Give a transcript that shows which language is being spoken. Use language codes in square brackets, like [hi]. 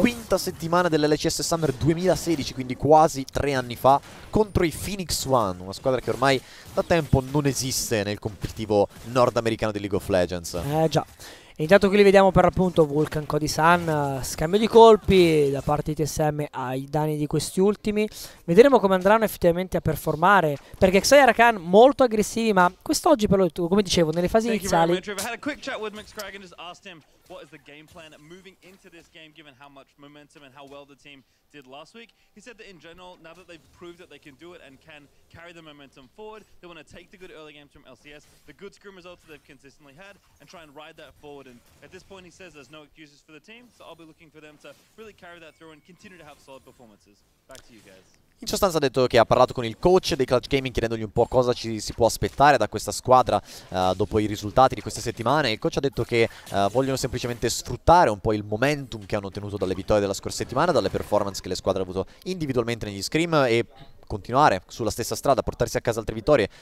[it] Quinta settimana dell'LCS Summer 2016, quindi quasi 3 anni fa, contro i Phoenix One, una squadra che ormai da tempo non esiste nel competitivo nordamericano di League of Legends. Già. E intanto qui li vediamo per appunto Vulcan, Cody Sun, scambio di colpi da parte di TSM ai danni di questi ultimi. Vedremo come andranno effettivamente a performare, perché Xayah e Rakan molto aggressivi, ma quest'oggi però, come dicevo, nelle fasi iniziali... [en] What is the game plan moving into this game given how much momentum and how well the team did last week? He said that in general, now that they've proved that they can do it and can carry the momentum forward, they want to take the good early games from LCS, the good scrim results that they've consistently had, and try and ride that forward. And at this point, he says there's no excuses for the team, so I'll be looking for them to really carry that through and continue to have solid performances. Back to you guys. [it] In sostanza ha detto che ha parlato con il coach dei Clutch Gaming chiedendogli un po' cosa ci si può aspettare da questa squadra dopo i risultati di queste settimane. Il coach ha detto che vogliono semplicemente sfruttare un po' il momentum che hanno ottenuto dalle vittorie della scorsa settimana, dalle performance che le squadre hanno avuto individualmente negli scrim, e continuare sulla stessa strada, portarsi a casa altre vittorie.